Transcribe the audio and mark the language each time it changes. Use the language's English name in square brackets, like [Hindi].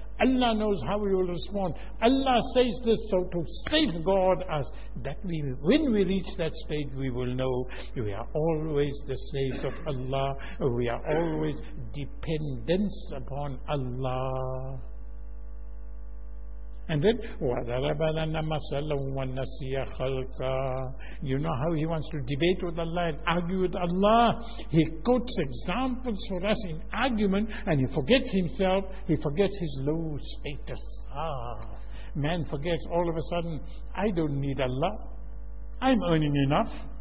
[English] Allah knows how we will respond. Allah says this so to safeguard us, that we, when we reach that stage, we will know we are always the slaves of Allah. We are always dependence upon Allah. And then, [Arabic] وَضَرَبَ لَنَا مَثَلًا وَنَسِيَ خَلْقَهُ. [English] You know how he wants to debate with Allah and argue with Allah. He quotes examples for us in argument and he forgets himself. He forgets his low status. Man forgets all of a sudden, I don't need Allah. I'm earning enough.